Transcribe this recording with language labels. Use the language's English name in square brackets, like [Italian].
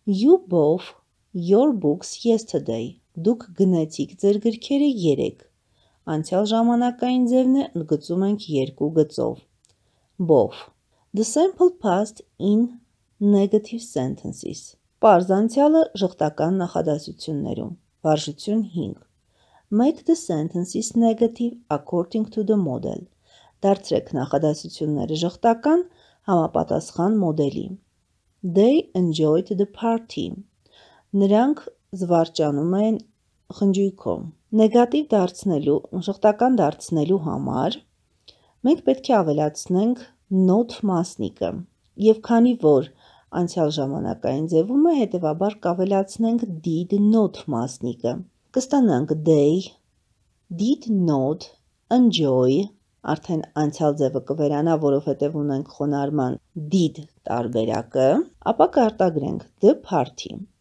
[English] You bought your books yesterday. [Armenian] Դուք գնացիք ձեր գրքերը երեկ։ Անցյալ ժամանակային ձևն է, ընդգծում ենք երկու գծով, bought. [English] The sample past in negative sentences. [Armenian] Պարզ անցյալը ժխտական նախադասություններում։ Վարժություն 5. [English] Make the sentences negative according to the model. [Armenian] Դարձրեք նախադասությունները ժխտական համապատասխան մոդելի։ [English] They enjoyed the party. [Armenian] Նրանք զվարճանում են խնջույքով նեգատիվ դարձնելու, ուշխտական դարձնելու համար մենք պետք է ավելացնենք not մասնիկը, եւ քանի որ անցյալ ժամանակային ձևումը հետեւաբար կավելացնենք did not մասնիկը, կստանանք [English] they did not enjoy, [Armenian] արդեն անցյալ ձևը կվերանա, որովհետեւ ունենք խոնարհման did տարբերակը, ապա կարտագրենք the party,